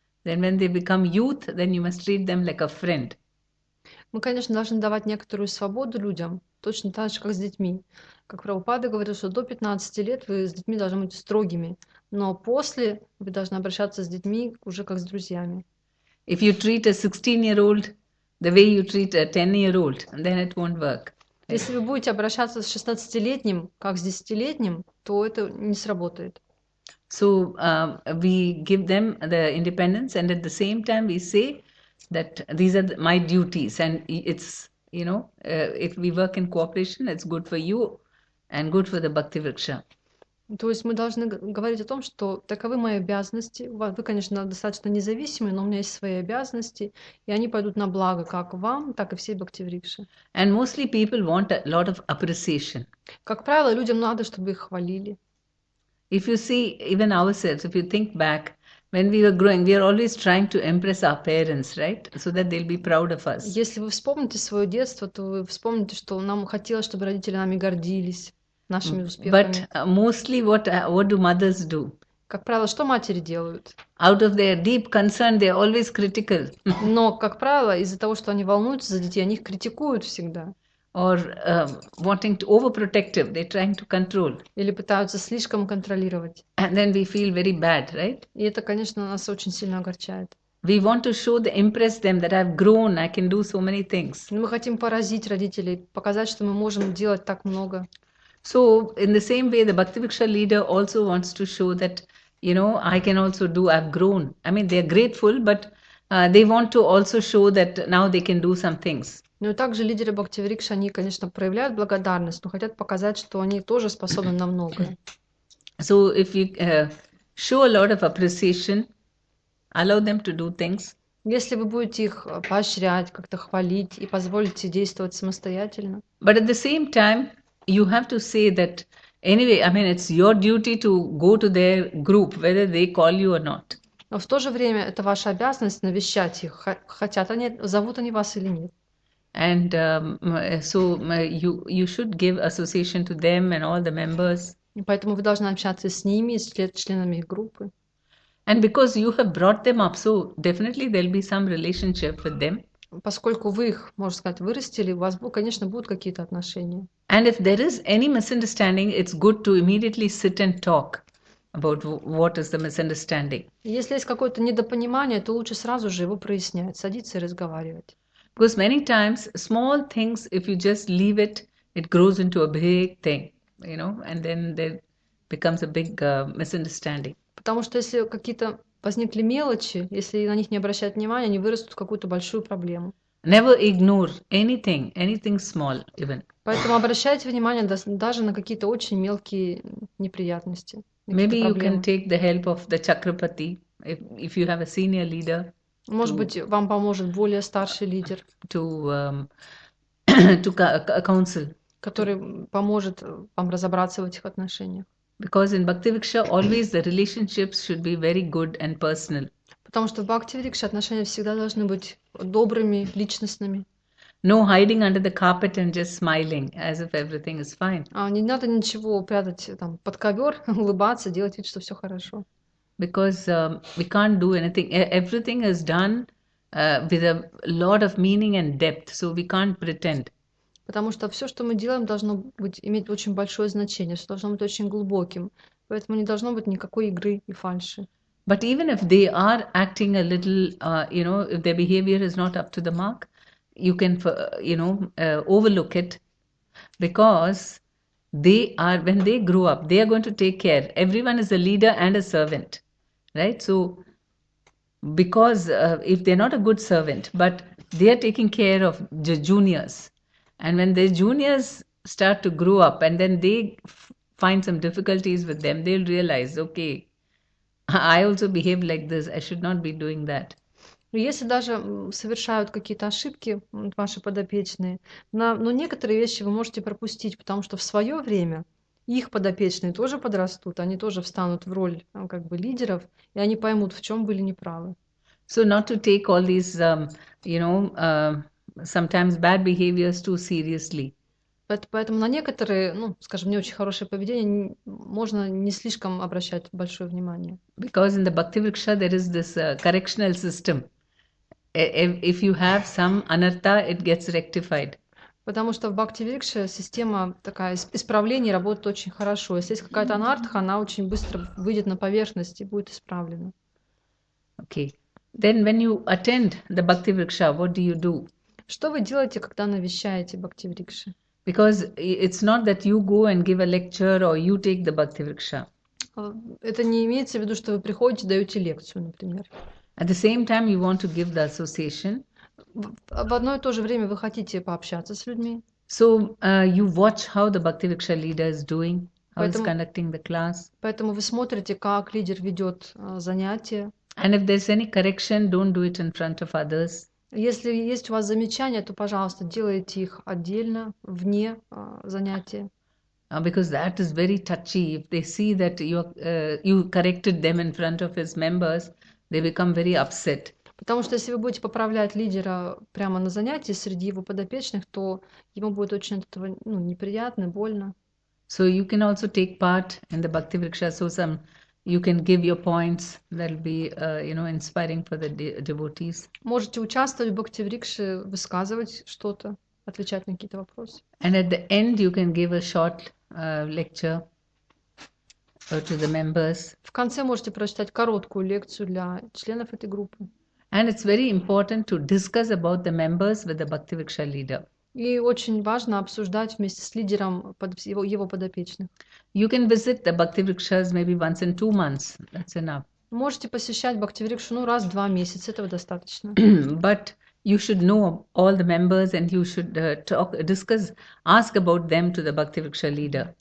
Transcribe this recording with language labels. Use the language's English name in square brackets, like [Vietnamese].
[English] Then, when they become youth, then you must treat them like a friend. [Russian] Мы, конечно, должны давать некоторую свободу людям, точно так же, как с детьми. Как Прабхупада говорил, что до 15 лет вы с детьми должны быть строгими, но после вы должны обращаться с детьми уже как с друзьями. [English] If you treat a 16-year-old the way you treat a 10-year-old, then it won't work. [Russian] Если вы будете обращаться с 16-летним, как с 10-летним, то это не сработает. [English] So we give them the independence, and at the same time we say that these are my duties, and it's, you know, if we work in cooperation, it's good for you and good for the Bhakti Vriksha. [Russian] То есть мы должны говорить о том, что таковы мои обязанности. Вы, конечно, достаточно независимы, но у меня есть свои обязанности, и они пойдут на благо как вам, так и всей Бхактиврикше. [English] And mostly people want a lot of appreciation. [Russian] Как правило, людям надо, чтобы их хвалили. [English] If you see even ourselves, if you think back, when we were growing, we are always trying to impress our parents, right? So that they'll be proud of us. [Russian] Если вы вспомните свое детство, то вы вспомните, что нам хотелось, чтобы родители нами гордились. Нашими успехами. [English] But mostly what do mothers do? [Russian] Как правило, что матери делают? [English] Out of their deep concern, they're always critical. [Russian] Но, как правило, из-за того, что они волнуются за детей, они их критикуют всегда. [English] Or wanting to overprotective, they're trying to control. [Russian] Или пытаются слишком контролировать. [English] And then we feel very bad, right? [Russian] И это, конечно, нас очень сильно огорчает. [English] We want to show the impress them that I've grown, I can do so many things. [Russian] Мы хотим поразить родителей, показать, что мы можем делать так много. [English] So in the same way, the Bhakti Viksha leader also wants to show that, you know, I can also do, I've grown. I mean, they're grateful, but they want to also show that now they can do some things. [Russian] Ну и также лидеры Бхакти Врикши, они, конечно, проявляют благодарность, но хотят показать, что они тоже способны на многое. [English] So if you show a lot of appreciation, allow them to do things. [Russian] Если вы будете их поощрять, как-то хвалить и позволите действовать самостоятельно. [English] But at the same time, you have to say that anyway, I mean, it's your duty to go to their group, whether they call you or not. [Russian] Но в то же время это ваша обязанность навещать их, хотят они, зовут они вас или нет. [English] And so you should give association to them and all the members. [Russian] И поэтому вы должны общаться с ними, с членами их группы. [English] And because you have brought them up, so definitely there'll be some relationship with them. [Russian] Поскольку вы их, можно сказать, вырастили, у вас, конечно, будут какие-то отношения. [English] And if there is any misunderstanding, it's good to immediately sit and talk about what is the misunderstanding. [Russian] Если есть какое-то недопонимание, то лучше сразу же его прояснять, садиться и разговаривать. [English] Because many times, small things, if you just leave it, it grows into a big thing, you know, and then there becomes a big misunderstanding. [Russian] Потому что если какие-то возникли мелочи, если на них не обращать внимания, они вырастут в какую-то большую проблему. [English] Never ignore anything, anything small even. [Russian] Поэтому обращайте внимание даже на какие-то очень мелкие неприятности. [English] Maybe you [Russian] проблемы. [English] Can take the help of the Chakrapati if you have a senior leader. [Russian] Может быть, вам поможет более старший лидер. [English] To a counsel. [Russian] Который поможет вам разобраться в этих отношениях. [English] Because in Bhakti Viksha, always the relationships should be very good and personal. [Russian] Потому что в Бхакти Врикше отношения всегда должны быть добрыми, личностными. [English] No hiding under the carpet and just smiling, as if everything is fine. [Russian] А не надо ничего прятать там под ковер, улыбаться, делать вид, что все хорошо. [English] Because we can't do anything. Everything is done with a lot of meaning and depth, so we can't pretend. [Russian] Потому что все, что мы делаем, должно быть иметь очень большое значение, все должно быть очень глубоким. Поэтому не должно быть никакой игры и фальши. [English] But even if they are acting a little, you know, if their behavior is not up to the mark, you can, you know, overlook it, because they are, when they grow up, they are going to take care. Everyone is a leader and a servant, right? So, because if they're not a good servant, but they are taking care of the juniors, and when their juniors start to grow up and then they find some difficulties with them, they'll realize, okay, I also behave like this. I should not be doing that. [Russian] Если даже совершают какие-то ошибки ваши подопечные, но некоторые вещи вы можете пропустить, потому что в свое время их подопечные тоже подрастут, они тоже встанут в роль как бы лидеров, и они поймут, в чем были неправы. [English] So not to take all these, you know, sometimes bad behaviors too seriously. [Russian] Поэтому на некоторые, ну, скажем, не очень хорошее поведение можно не слишком обращать большое внимание. [English] Because in the Bhakti Vriksha there is this correctional system. If you have some anartha, it gets rectified. [Russian] Потому что в Бхакти-викше система такая исправлений работает очень хорошо. Если есть какая-то анартха, она очень быстро выйдет на поверхность и будет исправлена. [English] Okay. Then when you attend the Bhakti Vriksha, what do you do? [Russian] Что вы делаете, когда навещаете Бхакти-викше? [English] Because it's not that you go and give a lecture or you take the Bhakti Vriksha. [Russian] Это не имеется в виду, что вы приходите, даете лекцию, например. [English] At the same time, you want to give the association. [Russian] В одно и то же время вы хотите пообщаться с людьми. [English] So you watch how the Bhakti Vriksha leader is doing, how he's [Russian] Поэтому [English] conducting the class. [Russian] вы смотрите, как лидер ведет занятия. [English] And if there's any correction, don't do it in front of others. [Russian] Если есть у вас замечания, то, пожалуйста, делайте их отдельно, вне занятия. [English] Because that is very touchy. If they see that you corrected them in front of his members, they become very upset. [Russian] Потому что если вы будете поправлять лидера прямо на занятии среди его подопечных, то ему будет очень от этого, ну, неприятно, больно. [English] So you can also take part in the Bhakti Vriksha. So some you can give your points. That'll be inspiring for the devotees. [Russian] Можете участвовать в Бхакти-врикше, высказывать что-то, отвечать на какие-то вопросы. [English] And at the end, you can give a short lecture to the members. [Russian] В конце можете прочитать короткую лекцию для членов этой группы. [English] And it's very important to discuss about the members with the Bhakti Vriksha leader. [Russian] И очень важно обсуждать вместе с лидером его подопечных. [English] You can visit the Bhakti Vrikshas maybe once in 2 months. That's enough. [Russian] Можете посещать Бхактиврикшу, ну, раз в 2 месяца, этого достаточно. [English] But you should know all the members and you should discuss, ask about them to the Bhakti Vriksha leader.